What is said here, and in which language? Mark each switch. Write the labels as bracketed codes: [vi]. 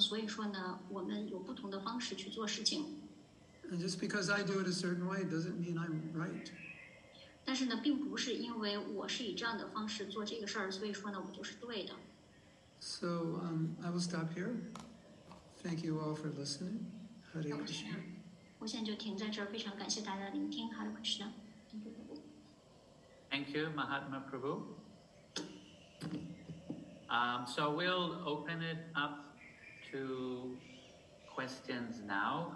[zh] 而且呢，我们也非常重要的需要理解，就是由于我们之间的不同的这个特征，所以说呢，我们有不同的方式去做事情。 [en] And just because I do it a certain way doesn't mean I'm right. [zh] 但是呢，并不是因为我是以这样的方式做这个事儿，所以说呢，我就是对的。 [en] So I will stop here. Thank you all for listening. Hare Krishna. [zh] 我现在就停在这儿, 非常感谢大家聆听, Hare Krishna. [en] Thank you, Mahatma Prabhu. So we'll open it up to questions now.